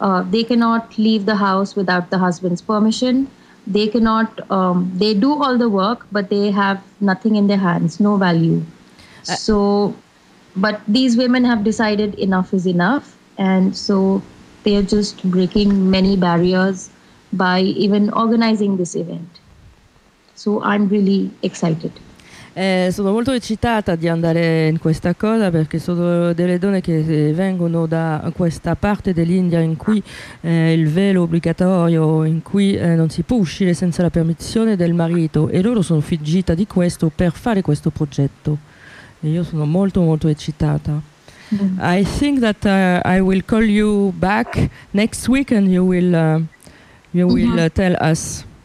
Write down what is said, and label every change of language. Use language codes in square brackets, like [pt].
[en] They cannot leave the house without the husband's permission. They cannot, they do all the work, but they have nothing in their hands, no value. So, but these women have decided enough is enough. And so they're just breaking many barriers by even organizing this event. So I'm really excited. [it] Sono molto eccitata di andare in questa cosa perché sono delle donne che vengono da questa parte dell'India in cui il velo obbligatorio, in cui non si può uscire senza la permissione del marito, e loro sono fuggita di questo per fare questo progetto. E io sono molto molto eccitata. [en] I think that I will call you back next week, and you will tell us.